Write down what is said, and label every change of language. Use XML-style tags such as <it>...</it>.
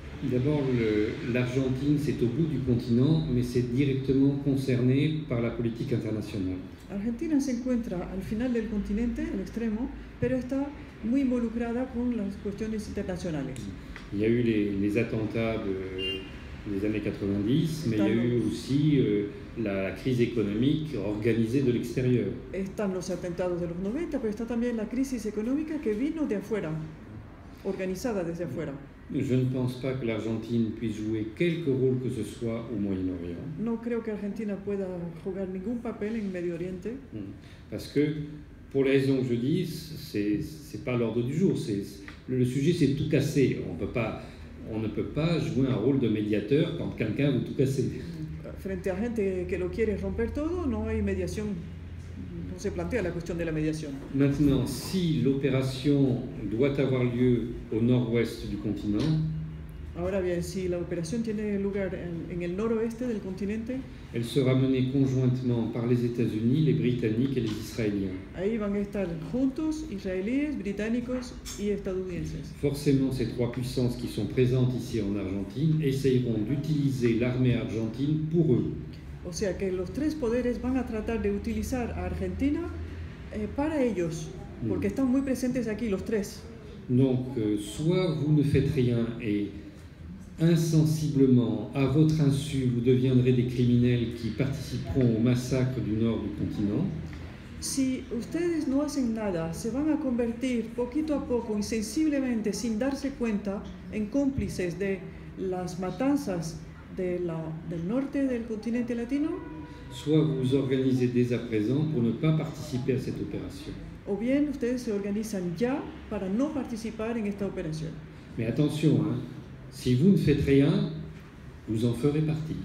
<fr>D'abord, l'Argentine, c'est au bout du continent, mais c'est directement concerné par la politique internationale. L'Argentine</fr> <es>se encuentra al final del continente, al extremo, pero está muy involucrada con las cuestiones internacionales.</es> <fr>Il y a eu les attentats des années 90, mais il y a eu aussi la crise économique organisée de l'extérieur.</fr> <es>Están los atentados de los 90, pero está también la crisis económica que vino de afuera, organizada desde afuera.</es> <fr>Je ne pense pas que l'Argentine puisse jouer quelque rôle que ce soit au Moyen-Orient.</fr> <es>No creo que Argentina pueda jugar ningún papel en Medio Oriente.</es> <fr>Parce que, pour les raisons que je dis, c'est pas l'ordre du jour. Le sujet, c'est tout casser. On ne peut pas jouer un rôle de médiateur quand quelqu'un veut tout casser.</fr> <es>Frente a gente que lo quiere romper todo, no hay mediación.</es> <fr>On</fr> <es>se plantea</es> <fr>la question de la médiation. Maintenant, si l'opération doit avoir lieu au nord-ouest du continent.</fr> <es>Ahora bien, si la operación tiene lugar en el noroeste del continente.</es> <fr>Elle sera menée conjointement par les États-Unis, les Britanniques et les Israéliens.</fr> <es>Ahí van a estar juntos israelíes, británicos y estadounidenses.</es> <fr>Forcément, ces trois puissances qui sont présentes ici en Argentine essayeront d'utiliser l'armée argentine pour eux.</fr> <es>O sea que los tres poderes van a tratar de utilizar a Argentina para ellos, porque están muy presentes aquí los tres.</es> <fr>Donc, soit vous ne faites rien et insensiblement, à votre insu, vous deviendrez des criminels qui participeront au massacre du nord du continent.</fr> <es>Si ustedes no hacen nada, se van a convertir poquito a poco, insensiblemente, sin darse cuenta, en cómplices de las matanzas del norte del continente latino.</es> <fr>Soit vous organisez dès à présent pour ne pas participer à cette opération.</fr> <es>O bien ustedes se organizan ya para no participar en esta operación.</es> <fr>Mais attention, si vous ne faites rien, vous en ferez partie.</fr>